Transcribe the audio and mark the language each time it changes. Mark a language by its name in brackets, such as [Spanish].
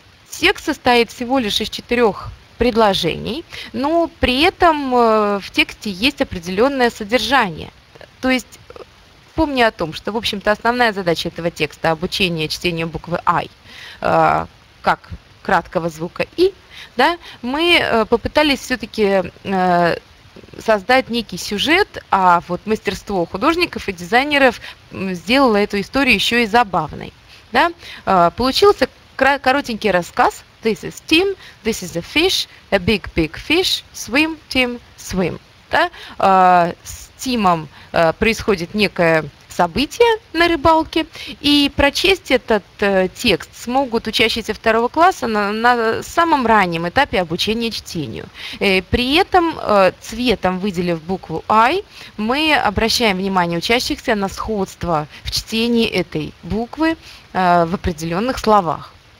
[Russian] Текст состоит всего лишь из 4 предложений, но при этом в тексте есть определенное содержание, то есть помни о том, что, в общем-то, основная задача этого текста – обучение чтению буквы «I» как краткого звука «I», да, мы попытались все-таки создать некий сюжет, а вот мастерство художников и дизайнеров сделало эту историю еще и забавной. Да. Получился коротенький рассказ [English] «This is Tim, this is a fish, a big, big fish, swim, Tim, swim». [Russian] Да. Тимом происходит некое событие на рыбалке, и прочесть этот текст смогут учащиеся второго класса на самом раннем этапе обучения чтению. При этом цветом, выделив букву «I», мы обращаем внимание учащихся на сходство в чтении этой буквы в определенных словах.